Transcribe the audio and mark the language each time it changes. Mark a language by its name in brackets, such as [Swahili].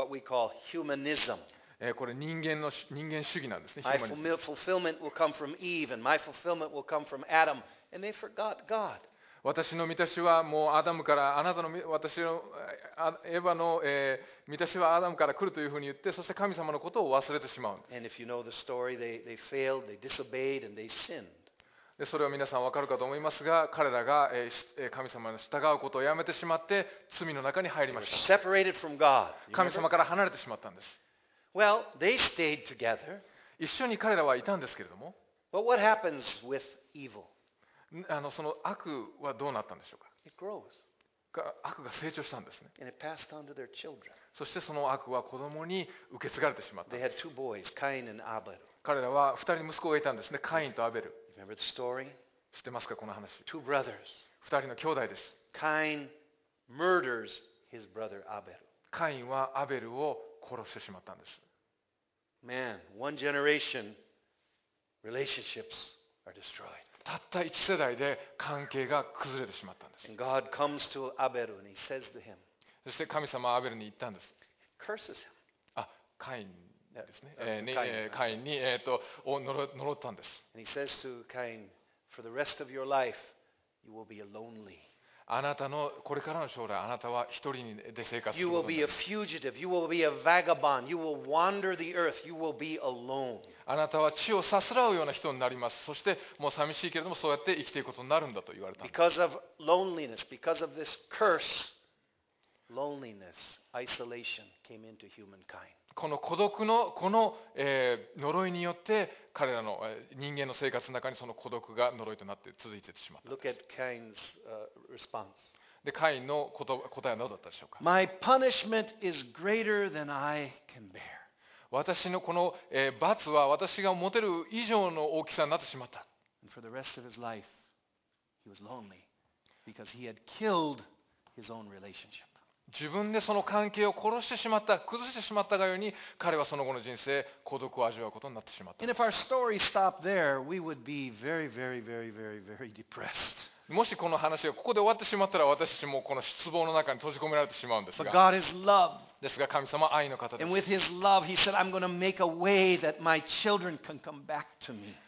[Japanese] これ人間主義なんですね。 [English] fulfillment will come from Eve and my fulfillment will come from Adam and they forgot God。 [Japanese] 私の満たしはもうアダムからあなたの私のエヴァの満たしはアダムから来るというふうに言ってそして神様のことを忘れてしまう。 [English] And if you know the story, they failed, they disobeyed, and they sinned. [Japanese] でそれは皆さん分かるかと思いますが彼らが神様に従うことをやめてしまって罪の中に入りました。 [English] They were separated from God. [Japanese] 神様から離れてしまったんです。 [English] Well, they stayed together. [Japanese] 一緒に彼らはいたんですけれども [English] But what happens with evil? [Japanese] その悪はどうなったんでしょうか。 [English] It grows. [Japanese] 悪が成長したんですね。 [English] And it passed on to their children. [Japanese] そしてその悪は子供に受け継がれてしまった。 [English] They had two boys, Cain and Abel. [Japanese] 彼らは二人息子がいたんですね。カインとアベル。 [English] You remember the story? [Japanese] 知ってますかこの話。 [English] Two brothers. [Japanese] 二人の兄弟です。 [English] Cain murders his brother Abel. [Japanese] カインはアベルを殺してしまったんです。 [English] Man, one generation, relationships are destroyed. [Japanese] たった一世代で関係が崩れてしまったんです。 [English] And God comes to Abel and he says to him, [Japanese] そして神様はアベルに言ったんです。 [English] Curses him. [Japanese] あ、カインですね。カインに呪ったんです。 [English] And he says to Cain, for the rest of your life, you will be lonely. あなたのこれからの将来、あなたは一人で生活するのです。 You will be a fugitive. You will be a vagabond. You will wander the earth. You will be alone. [Japanese] あなたは地をさすらうような人になります。そしてもう寂しいけれどもそうやって生きていくことになるんだと言われた。 [English] Because of loneliness, because of this curse, loneliness, isolation came into humankind. [Japanese] この孤独のこの呪いによって彼らの人間の生活の中にその孤独が呪いとなって続いてしまった。 [English] Look at Cain's response. [Japanese] で、カインの答えはどうだったでしょうか。 [English] My punishment is greater than I can bear. [Japanese] 私のこの罰は私が持てる以上の大きさになってしまった。 [English] And for the rest of his life, he was lonely because he had killed his own relationship. [Japanese] 自分でその関係を殺してしまった、崩してしまったがように、彼はその後の人生、孤独を味わうことになってしまった。 [English] And if our story stopped there, we would be very, very, very, very, very depressed. [Japanese] もしこの話がここで終わってしまったら私たちもこの失望の中に閉じ込められてしまうんですが。ですが神様は愛の方です。 [English] And with his love, he said, I'm going to make a way that my children can come back to me.